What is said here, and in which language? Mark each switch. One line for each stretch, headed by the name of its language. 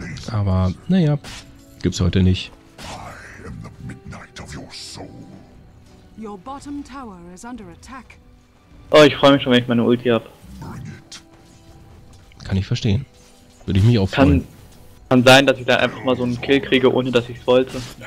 German: Aber, naja, gibt's heute nicht.
English: I am the midnight of your soul. Your bottom tower is under attack.
German: Oh, ich freue mich schon, wenn ich meine Ulti hab. Kann ich verstehen. Würde ich mich auch freuen. Kann sein, dass ich da einfach mal so einen Kill kriege, ohne dass ich es wollte.